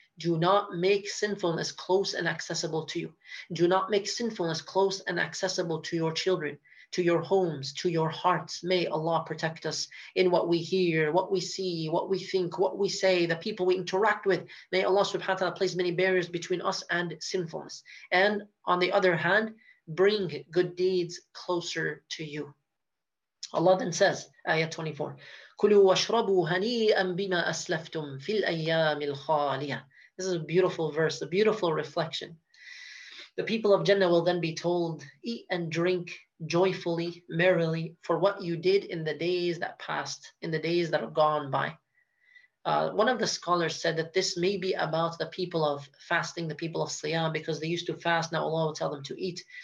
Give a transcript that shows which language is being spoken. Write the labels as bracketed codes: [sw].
[en] Do not make sinfulness close and accessible to you. Do not make sinfulness close and accessible to your children, to your homes, to your hearts. May Allah protect us in what we hear, what we see, what we think, what we say, the people we interact with. May Allah subhanahu wa ta'ala place many barriers between us and sinfulness. And on the other hand, bring good deeds closer to you. Allah then says, ayah 24, [ar] كُلُوا وَشْرَبُوا هَنِيئًا بِمَا أَسْلَفْتُمْ فِي الْأَيَّامِ الْخَالِيَةِ. [en] This is a beautiful verse, a beautiful reflection. The people of Jannah will then be told, eat and drink joyfully, merrily, for what you did in the days that passed, in the days that have gone by. One of the scholars said that this may be about the people of fasting, the people of Siyam, because they used to fast, now Allah will tell them to eat.